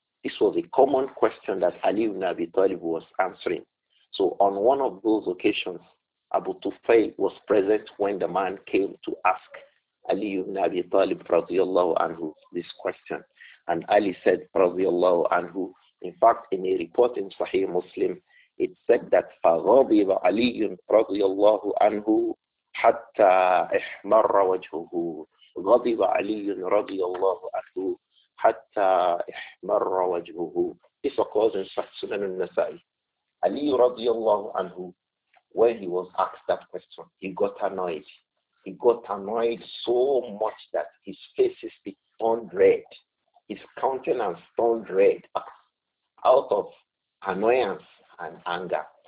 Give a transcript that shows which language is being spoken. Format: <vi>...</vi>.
<en>This was a common question that Ali ibn Abi Talib was answering. So on one of those occasions, Abu Tufail was present when the man came to ask Ali ibn Abi Talib radiyallahu anhu this question. And Ali said, radiyallahu anhu, in fact, in a report in Sahih Muslim, It said that</en> <ar>فَغَضِبَ عَلِيٌّ رَضِيَ اللَّهُ عَنْهُ حَتَّى إِحْمَرَّ وَجْهُهُ غَضِبَ عَلِيٌّ رَضِيَ اللَّهُ عَنْهُ حَتَّى إِحْمَرَّ وَجْهُهُ</ar> <en>It's a clause in Sunan al-Nasa'i. Ali رضي الله عنه, when he was asked that question, he got annoyed. He got annoyed so much that his face is turned red. His countenance turned red out of annoyance and anger.</en>